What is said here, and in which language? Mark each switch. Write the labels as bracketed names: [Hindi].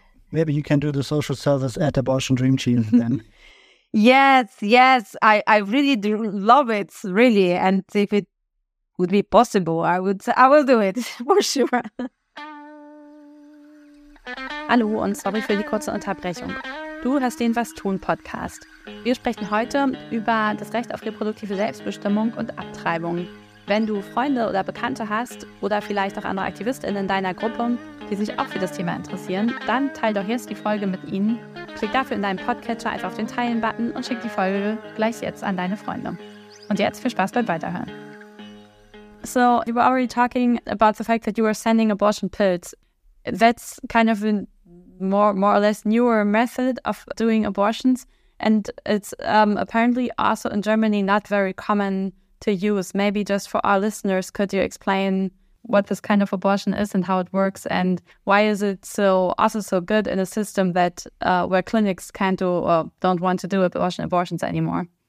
[English] maybe you can do the social service at Abortion Dream Team then. Yes, I really do love it, really. And if it would be possible, I will do it for sure. [German] Hallo und sorry für die kurze Unterbrechung. Du hast den Was tun Podcast. Wir sprechen heute über das Recht auf reproduktive Selbstbestimmung und Abtreibung. Wenn du Freunde oder Bekannte hast oder vielleicht auch andere AktivistInnen in deiner Gruppe, die sich auch für das Thema interessieren, dann teil doch jetzt die Folge mit ihnen. Klick dafür in deinem Podcatcher einfach auf den Teilen-Button und schick die Folge gleich jetzt an deine Freunde. Und jetzt viel Spaß beim Weiterhören. [English] So, you were already talking about the fact that you were sending abortion pills. That's kind of a more or less newer method of doing abortions. And it's apparently also in Germany not very common to use. Maybe just for our listeners, could you explain what this kind of abortion is and how it works, and why is it so good in a system that where clinics can't do or don't want to do abortions anymore?